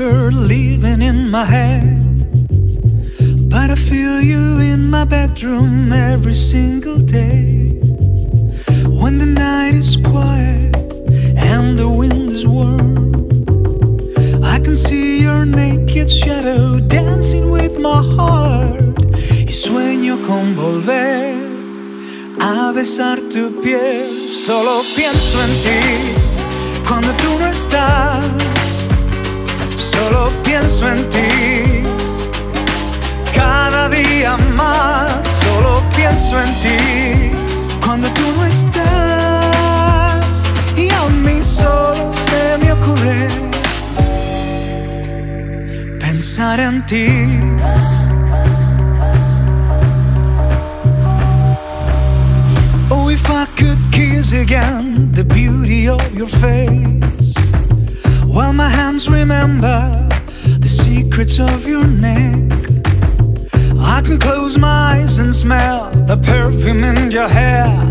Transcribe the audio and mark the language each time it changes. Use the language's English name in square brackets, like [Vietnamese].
[English] Living in my head, but I feel you in my bedroom every single day. When the night is quiet and the wind is warm, I can see your naked shadow dancing with my heart. [Spanish] Y sueño con volver a besar tu piel. Solo pienso en ti cuando tú no estás. Solo pienso en ti, cada día más. Solo pienso en ti, cuando tú no estás. Y a mí solo se me ocurre pensar en ti. [English] Oh, if I could kiss again the beauty of your face, while my hands remember the secrets of your neck, I can close my eyes and smell the perfume in your hair.